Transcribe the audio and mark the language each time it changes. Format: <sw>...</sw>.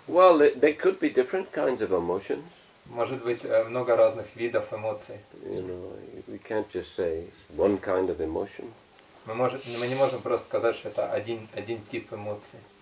<en>Well, they could be different kinds of emotions.</en> <ru>Может быть много разных видов эмоций.</ru> <en>You know, we can't just say one kind of emotion.</en> <ru>Мы не можем просто сказать, что это один тип эмоций.</ru>